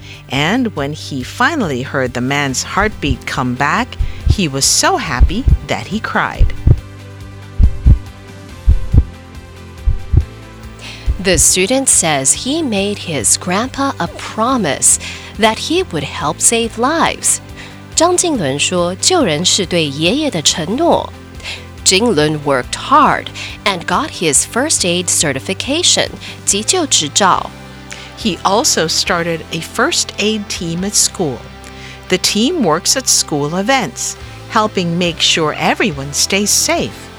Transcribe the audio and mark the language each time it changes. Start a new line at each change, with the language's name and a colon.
English: And when he finally heard the man's heartbeat come back, he was so happy that he cried. The student says he made his grandpa a promise that he would help save lives.
Chinese: 张静伦说救人是对爷爷的承诺。
English: Jinglun worked hard and got his first aid certification,
Chinese: 急救执照。
English: He also started a first aid team at school. The team works at school events, helping make sure everyone stays safe.